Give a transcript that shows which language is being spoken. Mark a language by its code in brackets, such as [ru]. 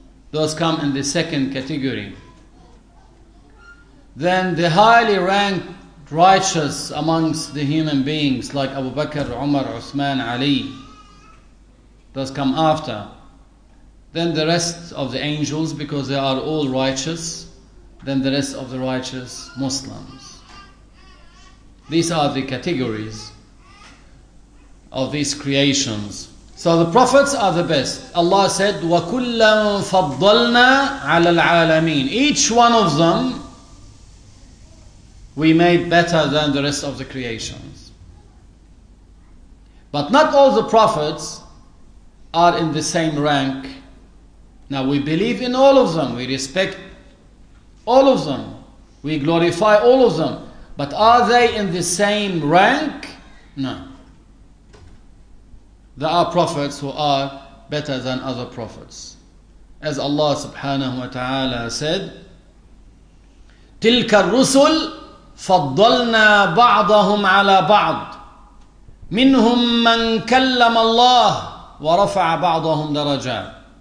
[en] Those come in the second category. Then the highly ranked righteous amongst the human beings, like Abu Bakr, Umar, Uthman, Ali, those come after. Then the rest of the angels, because they are all righteous. Then the rest of the righteous Muslims. These are the categories of these creations. So the prophets are the best. Allah said, [ar] وَكُلَّا فَضَّلْنَا عَلَى الْعَالَمِينَ. [en] Each one of them, we made better than the rest of the creations. But not all the prophets are in the same rank. Now we believe in all of them. We respect all of them. We glorify all of them. But are they in the same rank? No. There are prophets who are better than other prophets. As Allah subhanahu wa ta'ala said, [ar] تِلْكَ الرُّسُلْ فَضَّلْنَا بَعْضَهُمْ عَلَى بَعْضٍ مِّنْهُمْ مَنْ كَلَّمَ اللَّهِ وَرَفَعَ بَعْضَهُمْ دَرَجَاتٍ.